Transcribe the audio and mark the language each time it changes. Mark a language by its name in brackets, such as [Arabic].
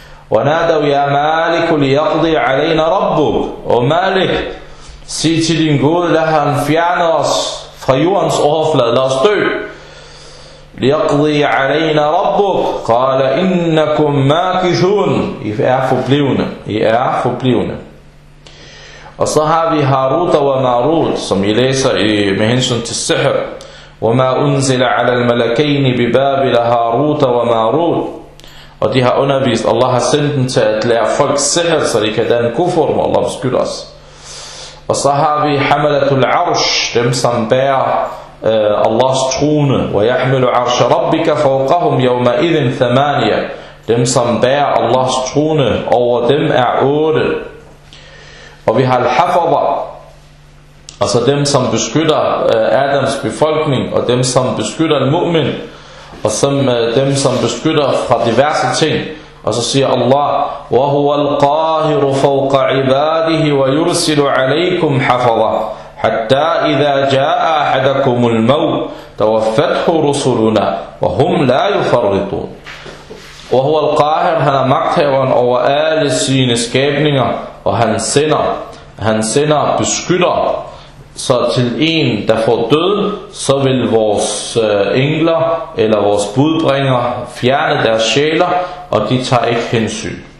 [Danish] Og [Arabic] nadav ya maliku liyakdi alayna rabbu, [Danish] og malik, sig til din Gud, lad han fjerne os fra jordens overflade, lad os dø. [Arabic] لِيَقْضِي عَلَيْنَا رَبُّكَ قَالَ إِنَّكُمْ مَاكِثُونَ. [Danish] I er forblivende. Og så har vi Harut og Marut, som I læser med hensyn til sihr. [Arabic] وَمَا أُنزِلَ عَلَى الْمَلَكَيْنِ بِبَابِلَ Harut og Marut. [Danish] Og de har undervist, Allah har sendt dem til at lære folk sihr, så de kan danne kufur, må Allah beskytte os. Og så har vi hamalatul arsh, dem som bærer Allahs trone, og [Arabic] yahmilu arsh rabbika fawqahum yawma idhin thamaniya, [Danish] dem som bærer Allahs trone over dem er 8. Og vi har al-hafaza, altså dem som beskytter Adams befolkning, og dem som beskytter al-mu'min, og som dem som beskytter fra diverse ting. Og så siger Allah, [Arabic] وَهُوَ الْقَاهِرُ فَوْقَ عِبَادِهِ وَيُرْسِلُ عَلَيْكُمْ حَفَظَهُ حَتَّى إِذَا جَاءَ أَحَدَكُمُ الْمَوْتُ تَوَفَّتْهُ رُسُلُنَا وَهُمْ لَا يُفَرِّطُونَ. وَهُوَ الْقَاهِرُ, [Danish] han er magthaveren over alle sine skabninger, og han sender beskytter. Så til en, der får død, så vil vores engler eller vores budbringer fjerne deres sjæler, og de tager ikke hensyn.